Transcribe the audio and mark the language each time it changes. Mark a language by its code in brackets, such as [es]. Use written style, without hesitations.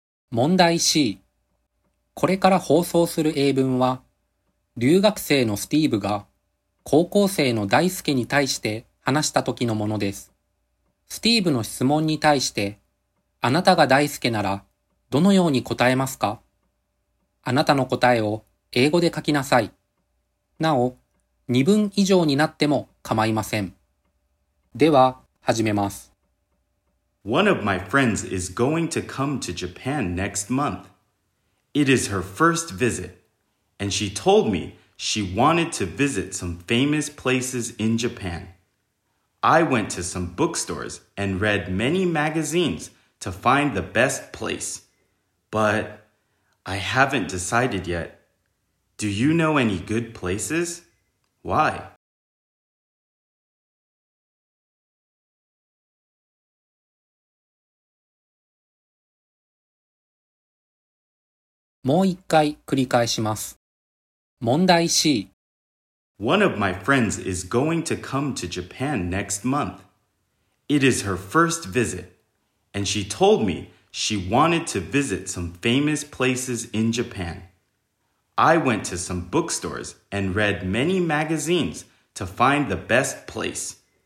[ja] 問題 C。これから放送する英文は、留学生のスティーブが高校生の大輔に対して話した時のものです。スティーブの質問に対して、あなたが大輔ならどのように答えますか？あなたの答えを英語で書きなさい。なお、二文以上になっても構いません。では、始めます。 [en] One of my friends is going to come to Japan next month. It is her first visit, and she told me she wanted to visit some famous places in Japan. I went to some bookstores and read many magazines to find the best place, but I haven't decided yet. Do you know any good places? Why? [ja] もう一回繰り返します。問題 C。 [en] One of my friends is going to come to Japan next month. It is her first visit, and she told me she wanted to visit some famous places in Japan. I went to some bookstores and read many magazines to find the best place.